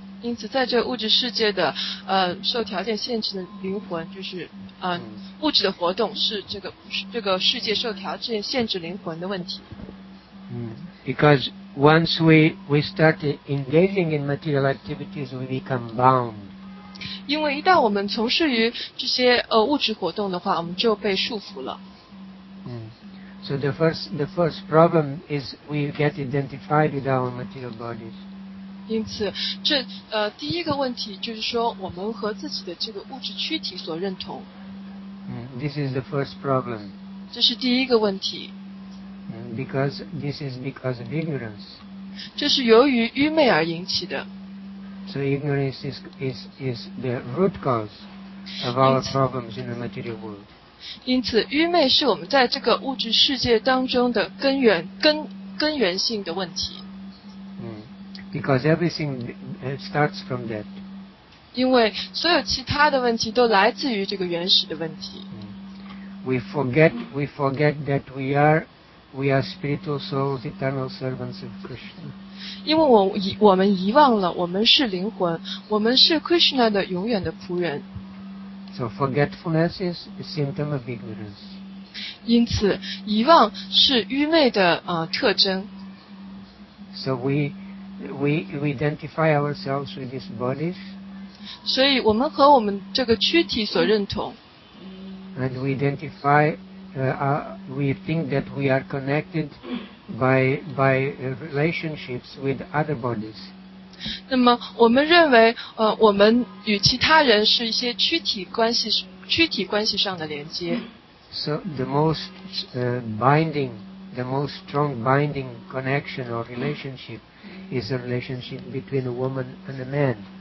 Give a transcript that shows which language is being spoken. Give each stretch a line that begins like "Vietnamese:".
Chinese: 因此在这物质世界的受条件限制的灵魂，就是物质的活动是这个世界受条件限制灵魂的问题。
English: Because once we start engaging in material activities, we become bound.
Chinese: 因为一旦我们从事于这些物质活动的话，我们就被束缚了。
English: So the first problem is we get identified with our material bodies.
Chinese: 因此这第一个问题就是说我们和自己的这个物质躯体所认同。
English: This is the first problem.
Chinese: 这是第一个问题。
English: Because this is because of ignorance.
Chinese: 这是由于愚昧而引起的。
English: So ignorance is the root cause of our problems in the material world.
Chinese: 因此愚昧是我们在这个物质世界当中的根源性的问题。
English: Because everything starts from that.
Chinese: 因为所有其他的问题都来自于这个原始的问题。
English: We forget that we are spiritual souls, eternal servants of Krishna.
Chinese: 因为我们遗忘了我们是灵魂，我们是 Krishna 的永远的仆人。
English: So forgetfulness is a symptom of ignorance.
Chinese: 因此遗忘是愚昧的特征。
English: So we identify ourselves with these bodies.
Chinese: 所以我们和我们这个躯体所认同。
English: And we identify, we think that we are connected by relationships with other bodies.
Chinese: 那么我们认为，我们与其他人是一些躯体关系上的连接。
English: So the most binding the most strong binding connection or relationship is the relationship between a woman and a man.